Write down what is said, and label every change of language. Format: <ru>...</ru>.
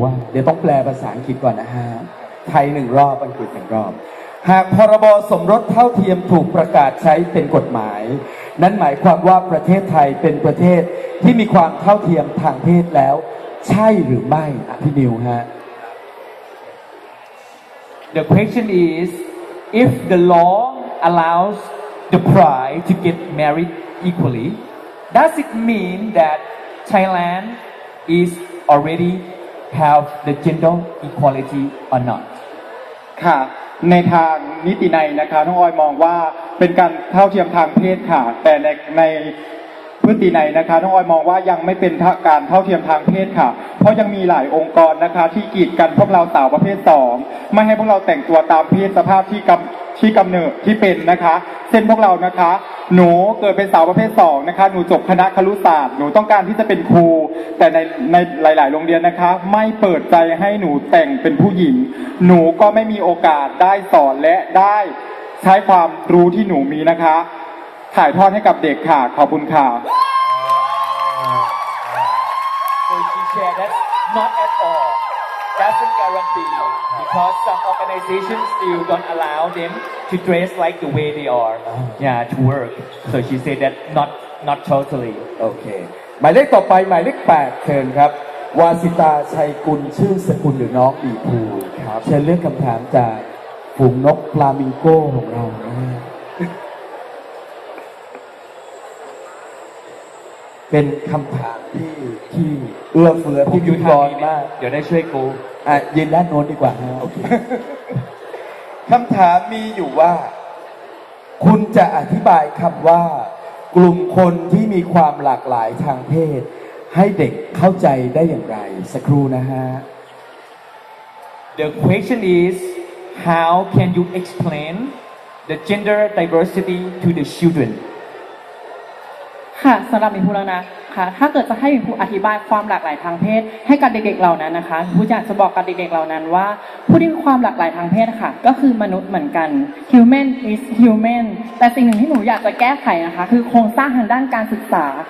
<th>เดี๋ยวต้องแปลภาษาอังกฤษก่อนนะฮะไทย1รอบอังกฤษ1รอบหากพรบสมรสเท่าเทียมถูกประกาศใช้เป็นกฎหมายนั่นหมายความว่าประเทศไทยเป็นประเทศที่มีความเท่าเทียมทางเพศแล้วใช่หรือไม่พี่นิวฮะ</th> <en>The question is if the law allowsThe pride to get married equally. Does it mean that Thailand is already have the gender equality or not?</en> <th>ค่ะในทางนิติในนะคะน้องออยมองว่าเป็นการเท่าเทียมทางเพศค่ะแต่ใน พื้นที่ไหนนะคะน้องออยมองว่ายังไม่เป็นทางการเท่าเทียมทางเพศค่ะเพราะยังมีหลายองค์กรนะคะที่กีดกันพวกเราสาวประเภท2ไม่ให้พวกเราแต่งตัวตามเพศสภาพที่กำเนิดที่เป็นนะคะเช่นพวกเรานะคะหนูเกิดเป็นสาวประเภท2นะคะหนูจบคณะครุศาสตร์หนูต้องการที่จะเป็นครูแต่ในหลายๆโรงเรียนนะคะไม่เปิดใจให้หนูแต่งเป็นผู้หญิงหนูก็ไม่มีโอกาสได้สอนและได้ใช้ความรู้ที่หนูมีนะคะถ่ายทอดให้กับเด็กค่ะขอบคุณค่ะ</th> <en>So she shared that not at all doesn't guarantee because some organizations still don't allow them to dress like the way they are yeah to work so she said that not totally</en> <th>okay หมายเลขต่อไปหมายเลข8เชิญครับวาสิตาชัยกุลชื่อสกุลหรือน้องอีภู ครับ เชิญเรื่องคำถามจากฝูงนกฟลามิงโกของเราเป็นคำถามที่เอื้อเฟื้อที่ยุทธรมาก เดี๋ยวได้ช่วยกู ยืนด้านโน้นดีกว่าฮะคำถามมีอยู่ว่าคุณจะอธิบายคำว่ากลุ่มคนที่มีความหลากหลายทางเพศให้เด็กเข้าใจได้อย่างไรสักครู่นะฮะ</th> <en>The question is how can you explain the gender diversity to the children</en> <th>ค่ะสำหรับมิภูแล้วนะค่ะถ้าเกิดจะให้มิภูอธิบายความหลากหลายทางเพศให้กับเด็กๆเหล่านั้นนะคะมิภูอยากจะบอกกับเด็กๆเหล่านั้นว่าผู้ที่มีความหลากหลายทางเพศค่ะก็คือมนุษย์เหมือนกัน</th> <en>human is human</en> <th>แต่สิ่งหนึ่งที่หนูอยากจะแก้ไขนะคะคือโครงสร้างทางด้านการศึกษา</th>